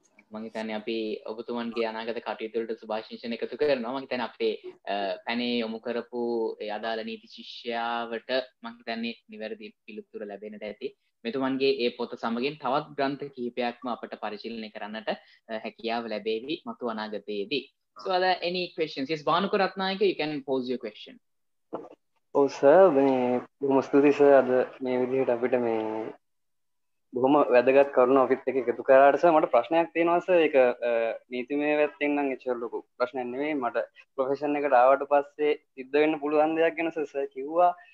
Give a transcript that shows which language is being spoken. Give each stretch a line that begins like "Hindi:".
Sinhala: මම හිතන්නේ අපි ඔබතුමන්ගේ අනාගත කටයුතු වලට සුභාශිංසන එකතු කරනවා. මම හිතන්නේ අපේ පැනේ යොමු කරපු ඒ අදාළ නීති ශිෂ්‍යාවට මම හිතන්නේ නිවැරදි පිළිතුර ලැබෙන්නට ඇති. මෙතුමන්ගේ ඒ පොත සමගින් තවත් ග්‍රන්ථ කිහිපයක්ම අපට පරිශීලනය කරන්නට හැකියාව ලැබේවි මතු අනාගතයේදී.
English: So are there any questions? Yes, Banu Karatnayake, you can pose your question. Oh sir,
Sinhala: මේ බොහොම ස්තුතියි සර් අද මේ විදිහට අපිට මේ බොහොම වැදගත් කරුණු ඔෆිස් එකේ එකතු කරාට සර් මට ප්‍රශ්නයක් තියෙනවා සර්. ඒක නීතිමය වැත්තෙන් නම් එච්චර ලොකු ප්‍රශ්නයක් නෙමෙයි. මට ප්‍රොෆෙෂන් එකට ආවට පස්සේ සිද්ධ වෙන්න පුළුවන් දෙයක් ගැන සර් කිව්වා.